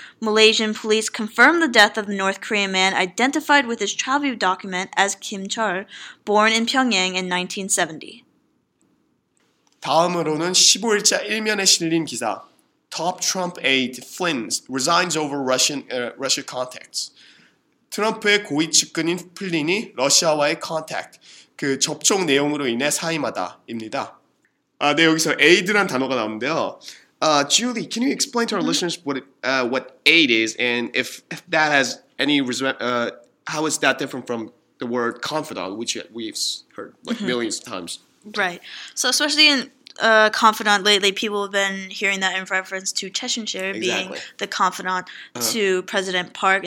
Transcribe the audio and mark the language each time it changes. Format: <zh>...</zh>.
<en>Malaysian police confirmed the death of the North Korean man identified with his travel document as Kim Chol, born in Pyongyang in 1970.</en> <ko>다음으로는 15일자 1면에 실린 기사.</ko> <en>Top Trump aide Flynn resigns over Russia contacts.</en> <ko>트럼프의 고위 측근인 플린이 러시아와의 contact, 그 접촉 내용으로 인해 사임하다입니다. 아, 네, 여기서 aid란 단어가 나오는데요.</ko> <en>Julie, can you explain to our listeners what aid is and if that has any how is that different from the word confidant, which we've heard like millions of times? Right. So especially in confidant lately, people have been hearing that in reference to Cheshire being the confidant to President Park.</en>